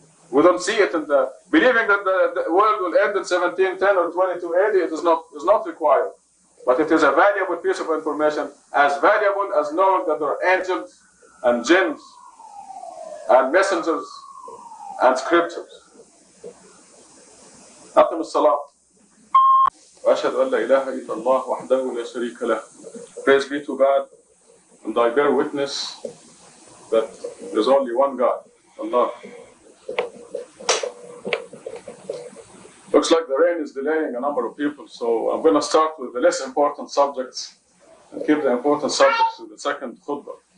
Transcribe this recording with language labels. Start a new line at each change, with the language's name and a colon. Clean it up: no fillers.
English: We don't see it in the... Believing that the world will end in 1710 or 2280, it is not required. But it is a valuable piece of information, as valuable as knowing that there are angels and jinns and messengers and scriptures. Atum salam.
Arabic: وأشهد أن لا إله إلا الله وحده لا شريك له.
English: Praise be to God, and I bear witness that there's only one God, Allah. Looks like the rain is delaying a number of people, so I'm going to start with the less important subjects and keep the important subjects to the second khutbah.